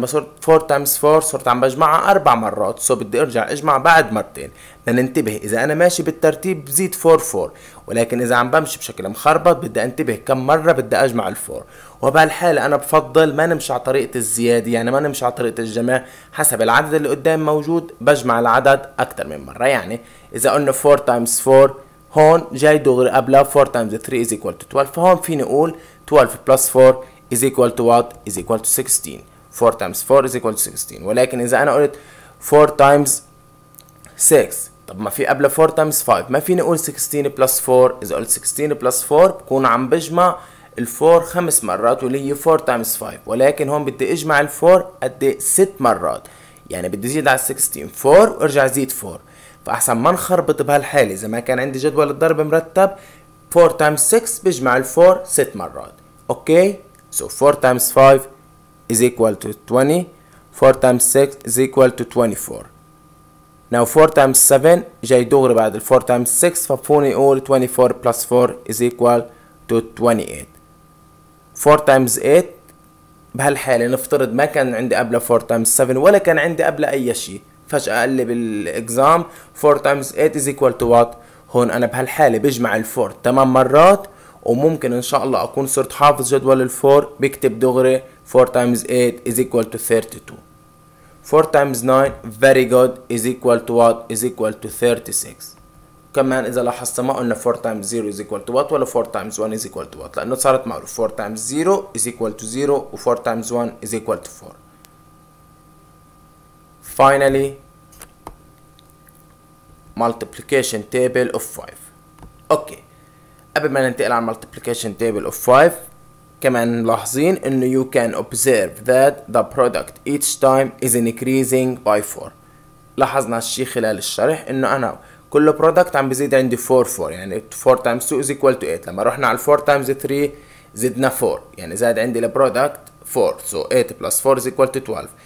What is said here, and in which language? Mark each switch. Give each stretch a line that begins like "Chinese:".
Arabic: لما صرت 4 times 4 صرت عم بجمعها 4 مرات، so بدي أرجع أجمع بعد مرتين. ننتبه إذا أنا ماشي بالترتيب زيد 4، ولكن إذا عم بمشي بشكل مخربط بدي أنتبه كم مرة بدي أجمع 4. وبهالحالة أنا بفضل ما نمشي على طريقة الزيادة، يعني ما نمشي على طريقة الجمع، حسب العدد اللي قدام موجود بجمع العدد أكتر من مرة. يعني إذا قلنا 4 times 4 هون جاي دغري قبلها
English: 4 times 3 is equal to 12،
Arabic: فهون فيني أقول
English: 12 plus 4 is equal to what? Is equal to 16. 4 times 4 is equal to 16.
Arabic: ولكن إذا أنا قلت
English: 4 times 6،
Arabic: طب ما في قبل
English: 4 times 5،
Arabic: ما فيني أقول
English: 16 plus 4.
Arabic: إذا قلت 16 plus 4 بكون عم بجمع ال 4 خمس مرات، واللي هي
English: 4 times 5،
Arabic: ولكن هون بدي أجمع ال 4 قد 6 مرات، يعني بدي زيد على 16 4 وارجع زيد 4. فأحسن ما نخربط بهالحالة، إذا ما كان عندي جدول الضرب مرتب
English: 4 times 6
Arabic: بجمع ال 4 6 مرات. أوكي؟
English: So 4 times 5 is equal to 20. 4 times 6 is equal to 24. Now 4 times 7
Arabic: جاي دغري بعد
English: 4 times 6،
Arabic: ففوني أقول
English: 24 plus 4 is equal to 28.
Arabic: 4 times 8 بهالحالة نفترض ما كان عندي قبل 4 times 7 ولا كان عندي قبل أي شيء، فجأة قال لي بالإكزام
English: 4 times 8 is equal to what؟
Arabic: هون أنا بهالحالة بجمع الفور 8 مرات، وممكن ان شاء الله اكون صرت حافظ جدول الفور، بكتب دغري
English: 4 times 8 is equal to 32. 4 times 9 very good is equal to what? Is equal to 36.
Arabic: كمان اذا لاحظت ما قلنا
English: 4 times 0 is equal to what ولا 4 times 1 is equal to what،
Arabic: لانه صارت معروف
English: 4 times 0 is equal to 0 و 4 times 1 is equal to 4. Finally multiplication table of 5.
Arabic: اوكي، قبل ما ننتقل على
English: multiplication table of 5،
Arabic: كمان ملاحظين انه
English: you can observe that the product each time is increasing by 4.
Arabic: لاحظنا الشيء خلال الشرح انه انا كل برودكت عم بزيد عندي 4 يعني
English: 4 times 2 is equal to 8.
Arabic: لما رحنا على
English: 4 times 3
Arabic: زدنا 4 يعني زاد عندي البرودكت 4 سو
English: 8 plus 4 is equal to 12.